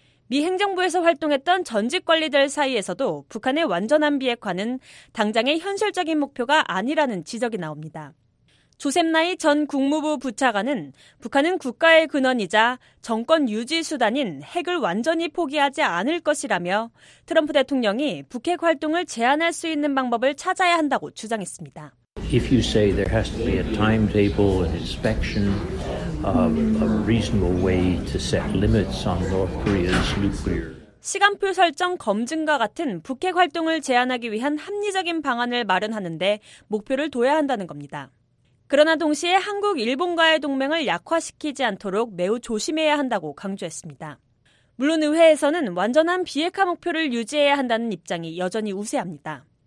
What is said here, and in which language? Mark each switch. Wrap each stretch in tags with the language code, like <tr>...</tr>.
<ko>미 행정부에서 활동했던 전직 관리들 사이에서도 북한의 완전한 비핵화는 당장의 현실적인 목표가 아니라는 지적이 나옵니다. 조셉 나이 전 국무부 부차관은 북한은 국가의 근원이자 정권 유지 수단인 핵을 완전히 포기하지 않을 것이라며 트럼프 대통령이 북핵 활동을 제한할 수 있는 방법을 찾아야 한다고 주장했습니다.</ko> <en>If you say there has to be a timetable and inspection of a reasonable way to set limits on North Korea's nuclear</en> <ko>시간표 설정 검증과 같은 북핵 활동을 제한하기 위한 합리적인 방안을 마련하는데 목표를 둬야 한다는 겁니다. 그러나 동시에 한국, 일본과의 동맹을 약화시키지 않도록 매우 조심해야 한다고 강조했습니다. 물론 의회에서는 완전한 비핵화 목표를 유지해야 한다는 입장이 여전히 우세합니다.</ko>